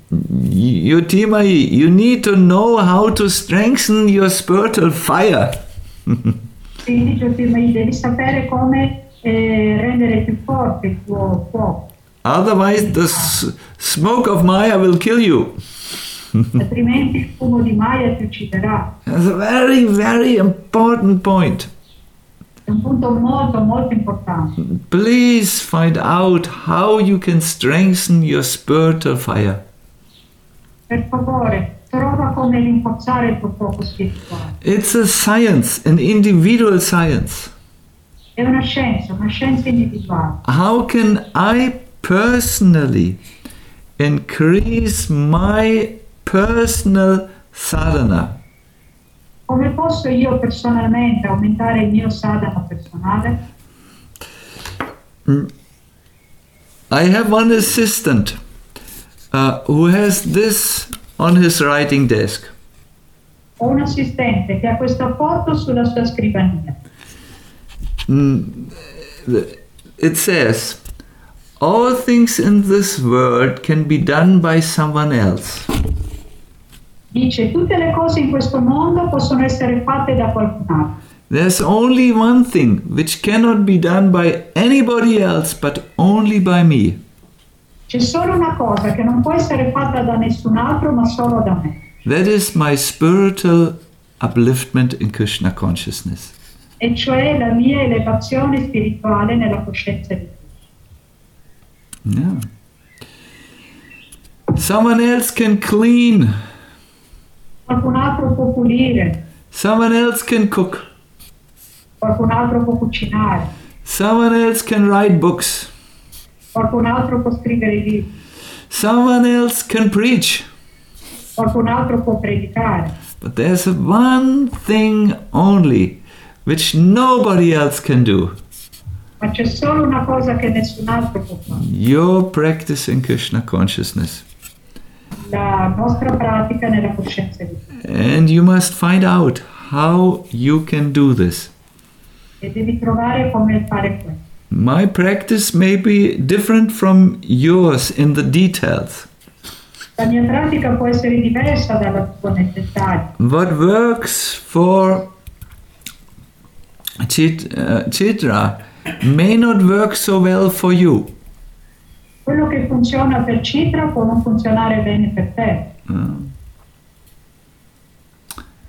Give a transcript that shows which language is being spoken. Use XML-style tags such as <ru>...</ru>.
<en>Yutima, you need to know how to strengthen your spiritual fire.</en> <it>Quindi Yutima, devi sapere come rendere più forte il tuo fuoco.</it> <en>Otherwise, the smoke of Maya will kill you.</en> <it>Altrimenti il fumo di Maya ti ucciderà.</it> <en>That's a very, very important point.</en> <it>È un punto molto, molto importante.</it> <en>Please find out how you can strengthen your spiritual fire.</en> <it>Per favore, trova come rinforzare il tuo fuoco spirituale.</it> <en>It's a science, an individual science.</en> <it>È una scienza individuale.</it> <en>How can I personally increase my personal sadhana?</en> <it>Come posso io personalmente aumentare il mio sadhana personale?</it> <en>I have one assistant who has this on his writing desk.</en> <it>Ho un assistente che ha questa foto sulla sua scrivania.</it> <en>It says, all things in this world can be done by someone else.</en> <it>Dice, tutte le cose in questo mondo possono essere fatte da qualcun altro.</it> <en>There's only one thing which cannot be done by anybody else, but only by me.</en> <it>C'è solo una cosa che non può essere fatta da nessun altro, ma solo da me.</it> <en>That is my spiritual upliftment in Krishna consciousness.</en> <it>E cioè la mia elevazione spirituale nella coscienza di.</it> <en>Yeah. Someone else can clean.</en> <it>Qualcun altro può pulire.</it> <en>Someone else can cook.</en> <it>Qualcun altro può cucinare.</it> <en>Someone else can write books.</en> <it>Qualcun altro può scrivere libri.</it> <en>Someone else can preach.</en> <it>Qualcun altro può predicare.</it> <en>But there's one thing only which nobody else can do.</en> <it>Ma c'è solo una cosa che nessun altro può fare.</it> <en>Your practice in Krishna consciousness.</en> <it>La nostra pratica nella coscienza di Krishna.</it> <en>And you must find out how you can do this.</en> <it>E devi trovare come fare questo.</it> <en>My practice may be different from yours in the details.</en> <it>La mia pratica può essere diversa dalla tua nei dettagli.</it> <en>What works for Chitra may not work so well for you.</en> <it>Quello che funziona per Chitra può non funzionare bene per te.</it>